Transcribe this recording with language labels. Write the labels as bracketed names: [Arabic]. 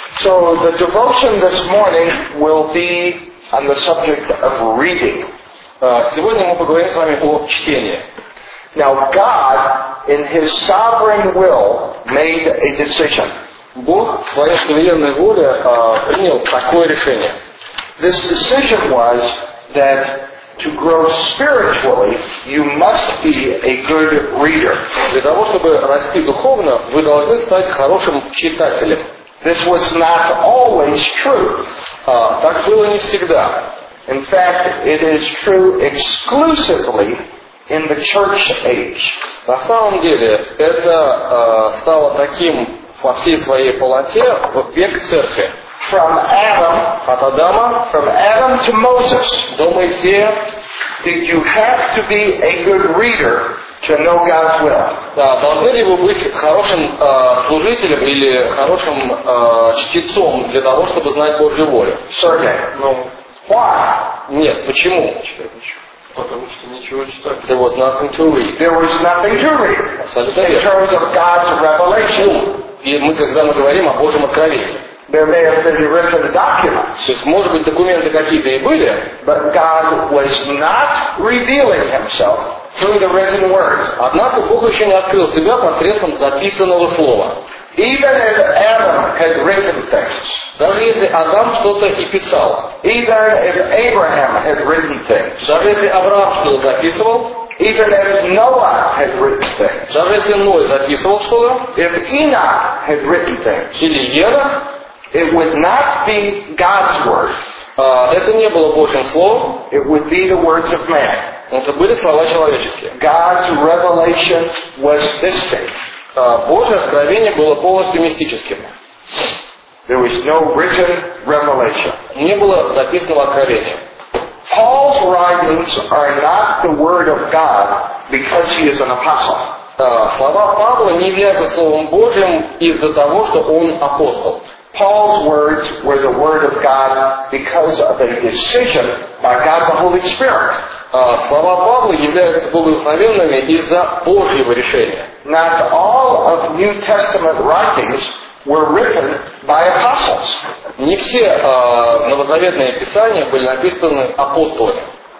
[English] So the devotion this morning will be on the subject of reading. [Russian] Сегодня мы поговорим с вами о чтении. [English] Now God, in His sovereign will, made a decision. [Russian] Бог в своей суверенной воле принял такое решение. [English] This decision was that to grow spiritually, you must be a good reader. [Russian] Для того, чтобы расти духовно, вы должны стать хорошим читателем. [English] This was not always true. [Russian] Так было не всегда. [English] In fact, it is true exclusively in the church age. [Russian] На самом деле, это стало таким во всей своей полноте в век церкви. [English] From Adam, [Russian] от Адама, [English] from Adam to Moses, [Russian] до Моисея, [English] did you have to be a good reader to know God's will? [Russian] Да, должны ли вы быть хорошим служителем или хорошим чтецом для того, чтобы знать Божью волю? [English] Certainly. No. Why? [Russian] Нет, почему? Потому что ничего читать. [English] There was nothing to read. There was nothing to read. [Russian] Абсолютно верно. [English] In terms of God's revelation. [Russian] И мы когда мы говорим о Божьем откровении. [English] There may have been written documents. [Russian] То есть, может быть, документы какие-то и были. [English] But God was not revealing Himself through the written word. [Russian] Однако Бог еще не открыл себя посредством записанного слова. [English] Even if Adam had written things. [Russian] Даже если Адам что-то и писал. [English] Even if Abraham had written things. [Russian] Даже если Авраам что-то записывал. [English] Even if Noah had written things. [Russian] Даже если Ной записывал что-то. [English] If Enoch had written things. [Russian] Или Енох. [English] It would not be God's word. [Russian] Это не было Божьим словом. [English] It would be the words of man. [Russian] Это были слова человеческие. [English] God's revelation was mystic. [Russian] Божье откровение было полностью мистическим. [English] There was no written revelation. [Russian] Не было записанного откровения. [English] Paul's writings are not the word of God because he is an apostle. [Russian] Слова Павла не являются словом Божьим из-за того, что он апостол. [English] Paul's words were the word of God because of a decision by God the Holy Spirit. [Russian] Слова Павла являются благословенными из-за Божьего решения. [English] Not all of New Testament writings were written by apostles. [Russian] Не все новозаветные писания были написаны апостолами.